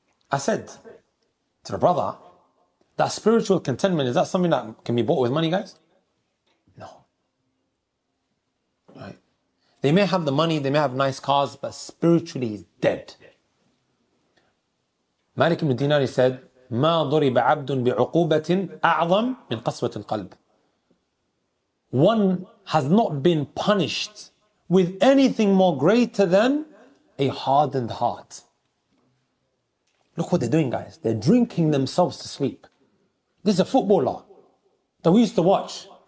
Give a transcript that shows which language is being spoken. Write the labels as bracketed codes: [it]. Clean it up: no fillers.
[en] I said to the brother, that spiritual contentment, is that something that can be bought with money, guys? No. Right? They may have the money, they may have nice cars, but spiritually he's dead. Malik ibn Dinar, he said, [ar] ما ضرب عبد بعقوبة أعظم من قسوة القلب. [en] One has not been punished with anything more greater than a hardened heart. Look what they're doing, guys. They're drinking themselves to sleep. This is a footballer that we used to watch.